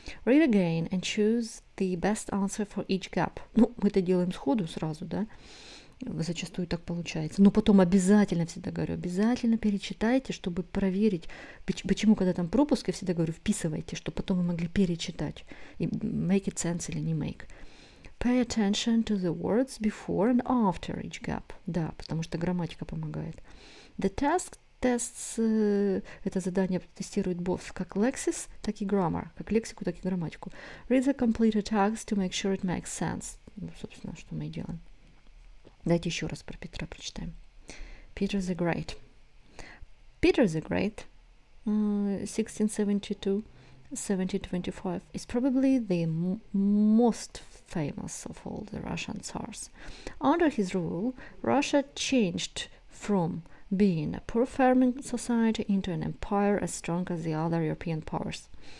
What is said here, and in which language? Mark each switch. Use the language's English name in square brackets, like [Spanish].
[English] Read again and choose the best answer for each gap. [Russian] Ну, мы это делаем сходу сразу, да? Зачастую так получается. Но потом обязательно, всегда говорю, обязательно перечитайте, чтобы проверить. Почему, когда там пропуск, я всегда говорю, вписывайте, чтобы потом вы могли перечитать. [English] И make it sense или не make. Pay attention to the words before and after each gap. [Russian] Да, потому что грамматика помогает. [English] The task tests, [Russian] это задание тестирует both как lexis, так и grammar. Как лексику, так и грамматику. [English] Read the completed text to make sure it makes sense. [Russian] Ну, собственно, что мы и делаем. Давайте еще раз про Петра прочитаем. [English] Peter the Great. Peter the Great, 1672-1725, is probably the most famous of all the Russian tsars. Under his rule, Russia changed from being a poor farming society into an empire as strong as the other European powers.